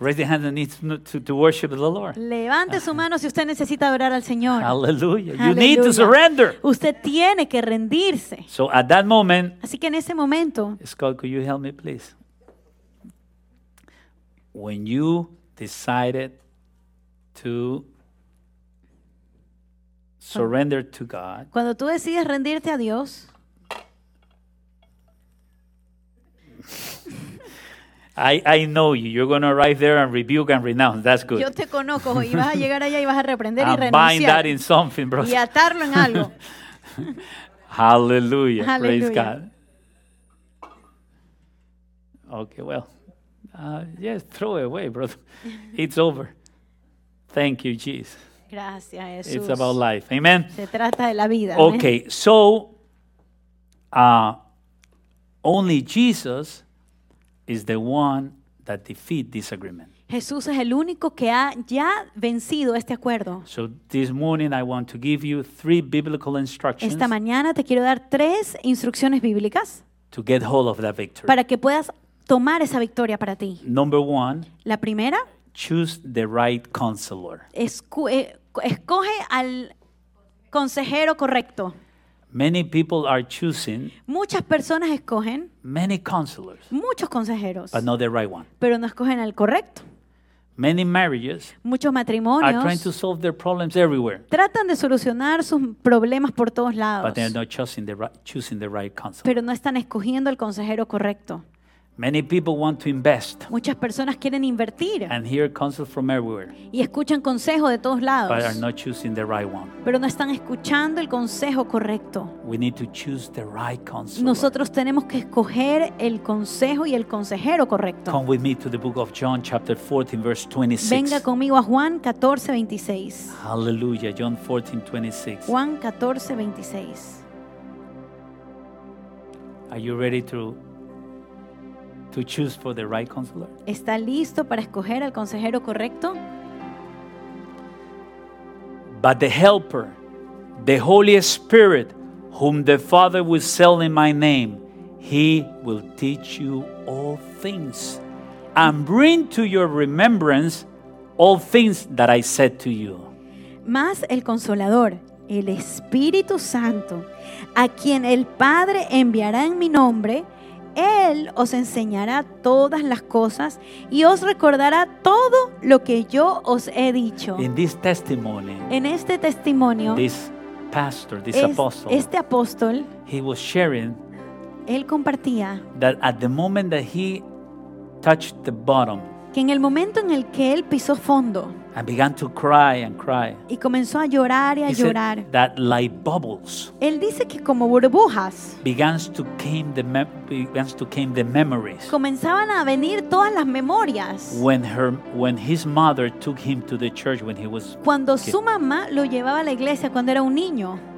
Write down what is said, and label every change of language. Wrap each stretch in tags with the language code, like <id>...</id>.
<en>Raise your hand and need to worship the Lord.</en> <es>Levante su mano si usted necesita adorar al Señor.</es> <en>Hallelujah. You need to surrender.</en> <es>Usted tiene que rendirse.</es> <en>So at that moment,</en> <es>así que en ese momento,</es> <en>Scott, could you help me please? When you decided to surrender to God.</en> <es>Cuando tú decides rendirte a Dios.</es> <en>I know you. You're going to arrive there and rebuke and renounce. That's good.</en> <es>Yo te conozco. Y vas a llegar allá y vas a reprender y</es> <en>and</en> <es>renunciar.</es> <en>Bind that in something, bro.</en> <es>Y atarlo en algo.</es> <en>Hallelujah. Hallelujah. Praise God. Okay, well. Yes, throw it away, brother. It's over. Thank you, Jesus.</en> <es>Gracias, Jesús.</es> <en>It's about life. Amen.</en> <es>Se trata de la vida.</es> <en>Okay, ¿eh? So only Jesus is the one that defeats disagreement.</en> <es>Jesús es el único que ha ya vencido este acuerdo.</es> <en>So this morning I want to give you three biblical instructions.</en> <es>Esta mañana te quiero dar tres instrucciones bíblicas.</es> <en>To get hold of that victory.</en> <es>Para que puedas tomar esa victoria para ti.</es> <en>Number one.</en> <es>La primera.</es> <en>Choose the right counselor.</en> <es>Escoge al consejero correcto.</es> <en>Many people are choosing.</en> <es>Muchas personas escogen.</es> <en>Many counselors.</en> <es>Muchos consejeros.</es> <en>But not the right one.</en> <es>Pero no escogen al correcto.</es> <en>Many marriages.</en> <es>Muchos matrimonios.</es> <en>Are trying to solve their problems everywhere.</en> <es>Tratan de solucionar sus problemas por todos lados.</es> <en>But they're not choosing the right counselor.</en> <es>Pero no están escogiendo el consejero correcto.</es> <en>Many people want to invest.</en> <es>Muchas personas quieren invertir.</es> <en>And hear counsel from everywhere.</en> <es>Y escuchan consejo de todos lados.</es> <en>But are not choosing the right one.</en> <es>Pero no están escuchando el consejo correcto.</es> <en>We need to choose the right counselor.</en> <es>Nosotros tenemos que escoger el consejo y el consejero correcto.</es> <en>Come with me to the book of John chapter 14 verse 26.</en> <es>Venga conmigo a Juan 14, 26.</es> <en>Hallelujah. John 14, 26.</en> <es>Juan 14, 26.</es> <en>Are you ready to choose for the right counselor?</en> <es>¿Está listo para escoger al consejero correcto?</es> <en>But the helper, the Holy Spirit, whom the Father will send in my name, he will teach you all things and bring to your remembrance all things that I said to you.</en> <es>Mas el consolador, el Espíritu Santo, a quien el Padre enviará en mi nombre, Él os enseñará todas las cosas y os recordará todo lo que yo os he dicho.</es> <en>In this testimony,</en> <es>en este testimonio,</es> <en>this pastor, this apostle,</en> <es>este apóstol,</es> <en>he was sharing,</en> <es>él compartía,</es> <en>that at the moment that he touched the bottom,</en> <es>que en el momento en el que él pisó fondo,</es> <en>and began to cry and cry,</en> <es>y comenzó a llorar y a</es> <en>he</en> <es>llorar,</es> <en>said that like bubbles,</en> <es>él dice que como burbujas,</es> <en>begins to came the memories,</en> <es>comenzaban a venir todas las memorias,</es> <en>when his mother took him to the church when he was,</en> <es>cuando su mamá lo llevaba a la iglesia cuando era un niño,</es>